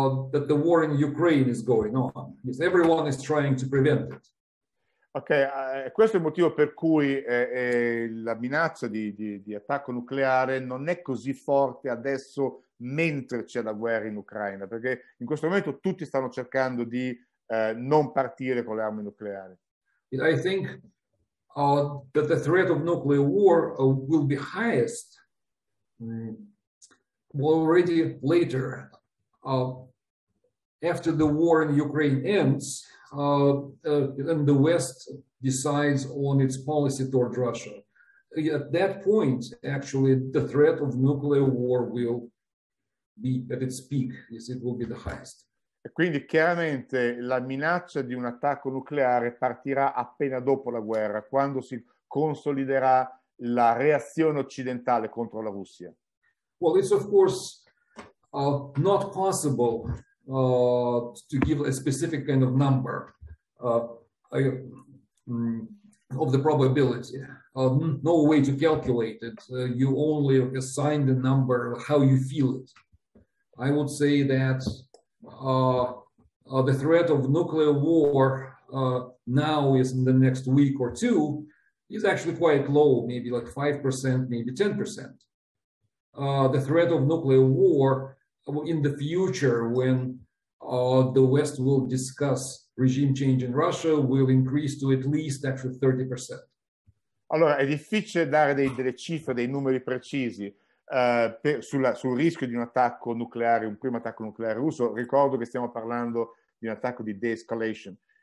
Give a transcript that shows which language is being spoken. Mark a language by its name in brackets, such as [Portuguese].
[English] That the war in Ukraine is going on. Yes, everyone is trying to prevent it. [Italian] Okay, questo è il motivo per cui la minaccia di attacco nucleare non è così forte adesso mentre c'è la guerra in Ucraina, perché in questo momento tutti stanno cercando di non partire con le armi nucleari. [English] I think that the threat of nuclear war will be highest. Already later, after the war in Ukraine ends, and the West decides on its policy toward Russia, at that point, actually, the threat of nuclear war will be at its peak. Yes, it will be the highest. [Italian] E quindi chiaramente la minaccia di un attacco nucleare partirà appena dopo la guerra, quando si consoliderà la reazione occidentale contro la Russia. [English] Well, it's of course not possible to give a specific kind of number of the probability. No way to calculate it. You only assign the number how you feel it. I would say that the threat of nuclear war now is in the next week or two is actually quite low, maybe like 5%, maybe 10%. The threat of nuclear war in the future, when the West will discuss regime change in Russia, will increase to at least actually 30%. [Italian] Allora, è difficile dare delle cifre, dei numeri precisi sul rischio di un attacco nucleare, un primo attacco nucleare russo. Ricordo che stiamo parlando di un attacco di de-escalation.